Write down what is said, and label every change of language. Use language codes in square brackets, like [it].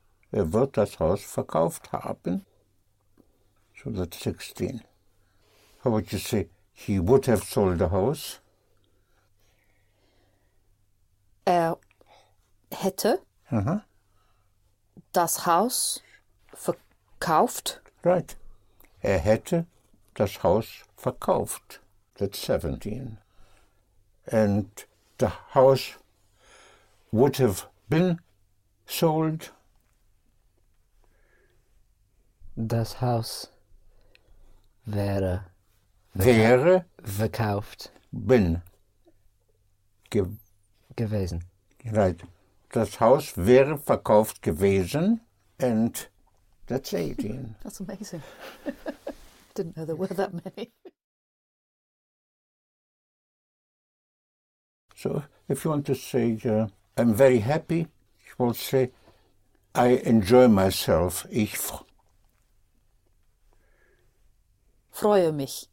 [de] Er wird das Haus verkauft haben. [en] So that's 16. How would you say he would have sold the house? [de] Er hätte das Haus verkauft. [en] Right. [de] Er hätte das Haus verkauft. [en] That's 17. And the house would have been sold. [de] Das Haus wäre. Wäre. Verkauft. Bin. Gewesen. [en] Right. [de] Das Haus wäre verkauft gewesen. [en] And that's 18. That's amazing. Didn't know there were that many. So, if you want to say, I'm very happy, you will say, I enjoy myself. [de] Ich freue mich.